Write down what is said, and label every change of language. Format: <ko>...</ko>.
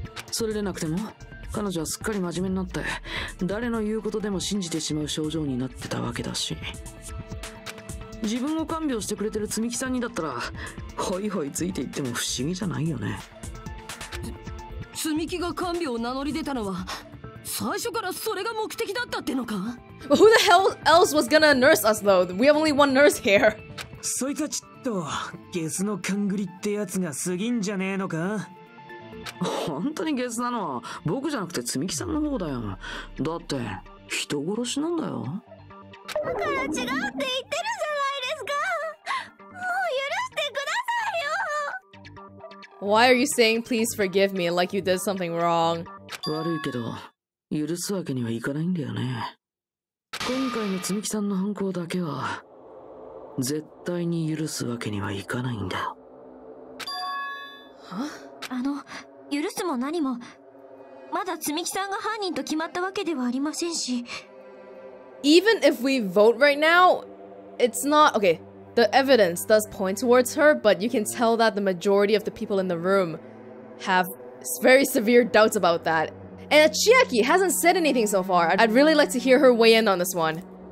<ja>それでなくても彼女はすっかり真面目になって、誰の言うことでも信じてしまう症状になってたわけだし、自分を看病してくれてる積木さんにだったらホイホイついていっても不思議じゃないよね。積木が看病を名乗り出たのは最初からそれが目的だったってのか。</ja> <en>Who the hell else was gonna nurse us though? We have only one nurse here.</en> <ja>そいつはちっとゲスの勘繰りってやつが過ぎんじゃねえのか。本当にゲスなの、僕じゃなくて積木さんの方だよ。だって人殺しなんだよ。だから違うって言ってるじゃないですか。もう許してくださいよ。</ja> <en>Why are you saying please forgive me like you did something wrong?</en> <ja>悪いけど許すわけにはいかないんだよね。今回の積木さんの犯行だけは絶対に許すわけにはいかないんだ。許すも何も、まだ積木さんが犯人と決まったわけではありませんし。</ja> <en>Even if we vote right now, it's not okay. The evidence does point towards her, but you can tell that the majority of the people in the room have very severe doubts about that. And Chiaki hasn't said anything so far. I'd really like to hear her weigh in on this one.</en>